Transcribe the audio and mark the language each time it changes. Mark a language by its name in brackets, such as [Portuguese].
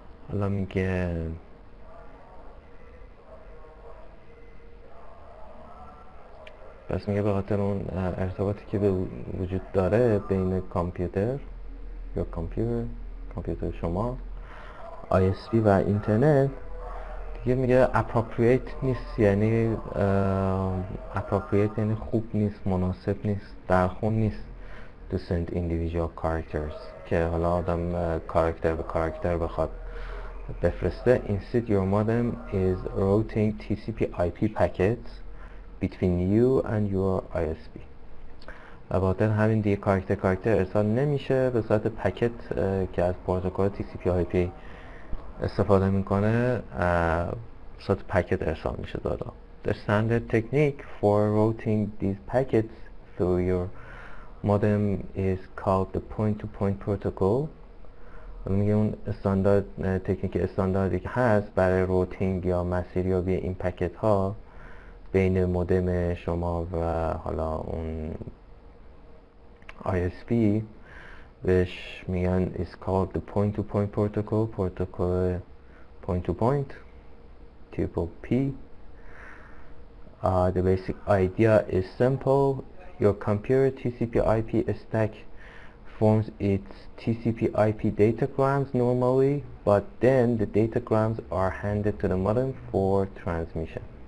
[Persian] حالا میگه پس میگه به خاطر اون ارتباطی که به وجود داره بین کامپیوتر یا کامپیوتر شما ISP و اینترنت دیگه میگه اپروپریت نیست، یعنی اپروپریت یعنی خوب نیست، مناسب نیست، در خون نیست [English] to send individual characters [Persian] که حالا آدم کارکتر به کارکتر بخواد بفرسته. [English] Instead your modem is routing TCP IP packets between you and your ISP. [Persian] و باطن همین دیگه کارکتر کارکتر ارسال نمیشه، به صورت پکت که از پروتکل TCP IP استفاده میکنه به صورت پکت ارسال میشه دادا. [English] The standard technique for routing these packets through your modem is called the point-to-point protocol. [Persian] میگه اون استاندارد تکنیک استانداردی که هست برای روتینگ یا مسیریابی این پکت ها بین مودم شما و حالا اون ISP بهش میگن [English] is called the point to point protocol، [Persian] پروتکل point to point triple P. [English] The basic idea is simple. Your computer TCP IP stack forms its TCP IP datagrams normally, but then the datagrams are handed to the modem for transmission.